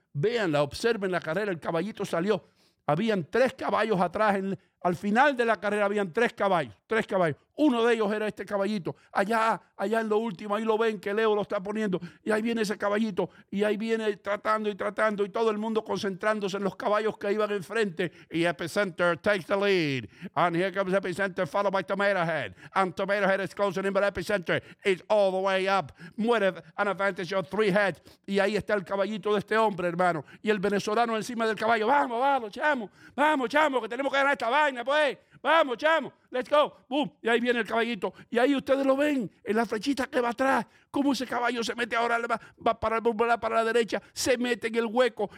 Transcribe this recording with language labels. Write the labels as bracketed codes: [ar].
[es] Véanla, observen la carrera. El caballito salió. Habían 3 caballos atrás. Al final de la carrera habían 3 caballos. Uno de ellos era este caballito. Allá en lo último, ahí lo ven que Leo lo está poniendo. Y ahí viene ese caballito. Y ahí viene tratando. Y todo el mundo concentrándose en los caballos que iban enfrente. [en] Y Epicenter takes the lead. And here comes Epicenter followed by Tomato Head. And Tomato Head is closing in, but Epicenter is all the way up. Muere an advantage of 3 heads. [es] Y ahí está el caballito de este hombre, hermano. Y el venezolano encima del caballo. Vamos, chamo, que tenemos que ganar esta vaina, pues. Vamos, chamo, [en] let's go. [es] Boom. Y ahí viene el caballito. Y ahí ustedes lo ven en la flechita que va atrás. Cómo ese caballo se mete ahora, va para la derecha, se mete en el hueco.